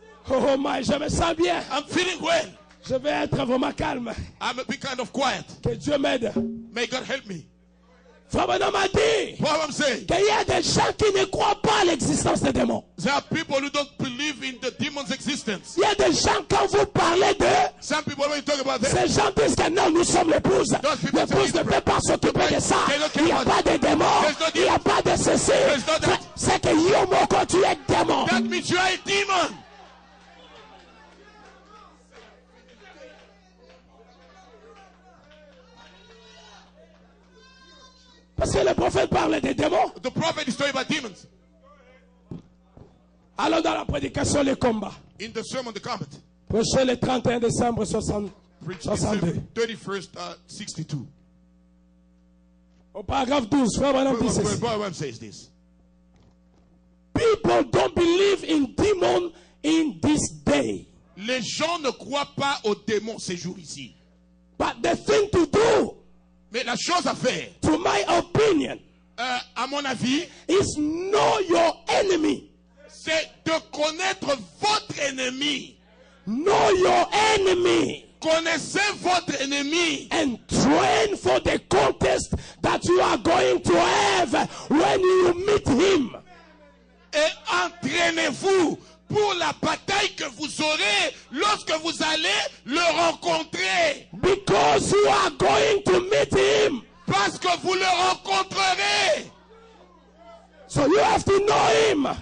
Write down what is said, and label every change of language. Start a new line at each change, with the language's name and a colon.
English: Oh my,
French: je me sens bien.
English: I'm feeling well.
French: Je vais être vraiment calme.
English: I'm a bit kind of quiet.
French: Que Dieu m'aide.
English: May God help me.
French: Frère Branham a dit qu'il y a des gens qui ne croient pas à l'existence des démons.
English: There are people who don't believe in the demons' existence.
French: Il y a des gens quand vous parlez d'eux,
English: some people when you talk about them,
French: ces gens disent que non, nous sommes l'épouse. L'épouse ne peut pas s'occuper de ça. Il n'y a pas de démons. Il n'y a pas de ceci. C'est que Yomo, quand tu es démon.
English: That means you are a demon.
French: Parce que le prophète parle des démons.
English: The prophet is talking about demons.
French: Allons dans la prédication, les combats.
English: In the sermon, the combat.
French: Prêchez le 31 décembre 62. Au paragraphe 12, Frère Branham dit ceci.
English: People don't believe in demons in this day.
French: Les gens ne croient pas aux démons ces jours-ci.
English: But the thing to do.
French: Mais la chose à faire,
English: to my opinion,
French: à mon avis,
English: is know your enemy.
French: C'est de connaître votre ennemi.
English: Know your enemy.
French: Connaissez votre ennemi.
English: And train for the contest that you are going to have when you meet him.
French: Et entraînez-vous pour la bataille que vous aurez lorsque vous allez le rencontrer.
English: Because you are going to meet him.
French: Parce que vous le rencontrerez.
English: So you have to know him.